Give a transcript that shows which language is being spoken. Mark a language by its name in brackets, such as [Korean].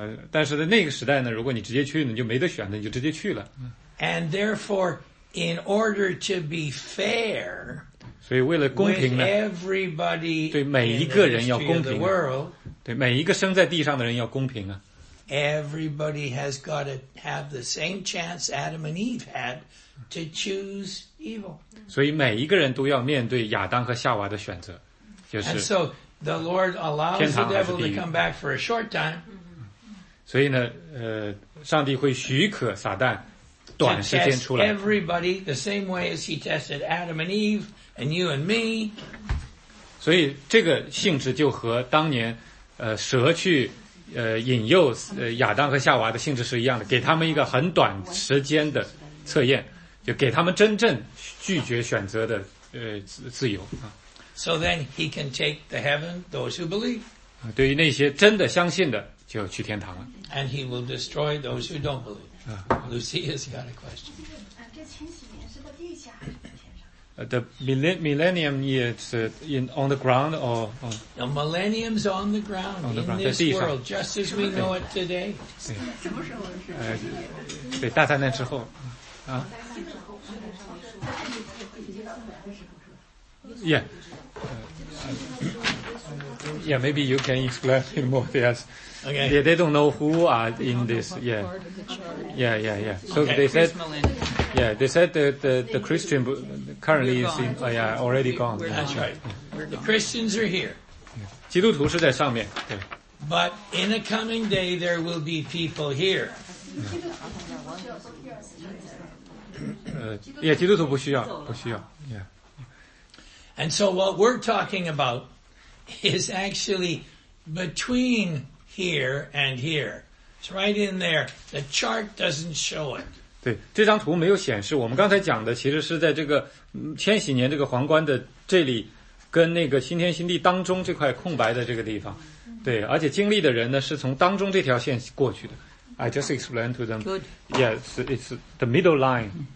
[Chinese] 但是在那个时代呢，如果你直接去，你就没得选了，你就直接去了。 [English] And therefore, in order to be fair, [Chinese] 所以为了公平呢， [English] everybody [Chinese] 对每一个人要公平， [English] the world, [Chinese] 对每一个生在地上的人要公平啊。 [English] Everybody has got to have the same chance Adam and Eve had to choose evil. [Chinese] 所以每一个人都要面对亚当和夏娃的选择，就是。 [English] And so the Lord allows the devil to come back for a short time. [Chinese] 所以呢，上帝会许可撒旦短时间出来。 [English] To test everybody the same way as he tested Adam and Eve and you and me. [Chinese] 所以这个性质就和当年，蛇去。引诱亚当和夏娃的性质是一样的，给他们一个很短时间的测验，就给他们真正拒绝选择的自由。 [English] So then he can take the heaven those who believe. [Chinese] 对于那些真的相信的就去天堂了。 [English] And he will destroy those who don't believe. Lucia's got a question. [Chinese] 这千禧年是个地下还是天上？ [English] The millennium is in on the ground or The millennium's on the ground in this world, just as we know it today. [Chinese] 什么时候？对，大灾难之后。 [English] Yeah. Yeah, maybe you can explain it more. Yes. Okay. They don't know who are in this. Yeah. Yeah, yeah, yeah. So okay, they said. Yeah, they said the Christian currently is in. Oh, yeah, already gone. That's right. Yeah. The Christians are here. [Chinese] 基督徒是在上面。对。 [English] But in a coming day, there will be people here. [Chinese] yeah, 基督徒不需要，不需要。Yeah. [English] And so what we're talking about is actually between here and here. It's right in there. The chart doesn't show it. [Chinese] 对，这张图没有显示。我们刚才讲的其实是在这个千禧年这个皇冠的这里。跟那个新天新地当中这块空白的这个地方，对，而且经历的人呢是从当中这条线过去的。 [English] I just explained to them. Good. Yes, it's the middle line.